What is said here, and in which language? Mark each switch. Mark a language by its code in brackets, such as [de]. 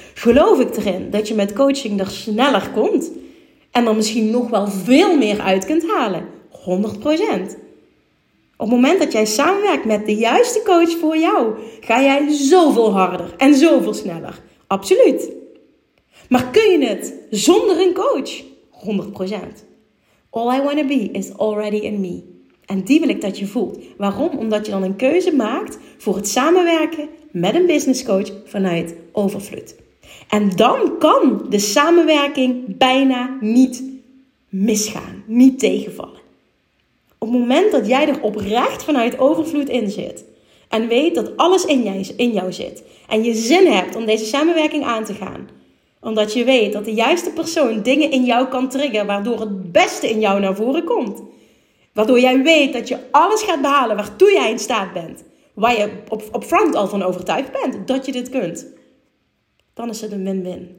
[nl] Geloof ik erin dat je met coaching er sneller komt. En er misschien nog wel veel meer uit kunt halen. 100%. Op het moment dat jij samenwerkt met de juiste coach voor jou, ga jij zoveel harder en zoveel sneller. Absoluut. Maar kun je het zonder een coach? 100%. [en] All I wanna be is already in me. [nl] En die wil ik dat je voelt. Waarom? Omdat je dan een keuze maakt voor het samenwerken met een business coach vanuit overvloed. En dan kan de samenwerking bijna niet misgaan, niet tegenvallen. Op het moment dat jij er oprecht vanuit overvloed in zit en weet dat alles in jou zit en je zin hebt om deze samenwerking aan te gaan, omdat je weet dat de juiste persoon dingen in jou kan triggeren waardoor het beste in jou naar voren komt, waardoor jij weet dat je alles gaat behalen waartoe jij in staat bent, waar je op front al van overtuigd bent dat je dit kunt, dan is het een win-win.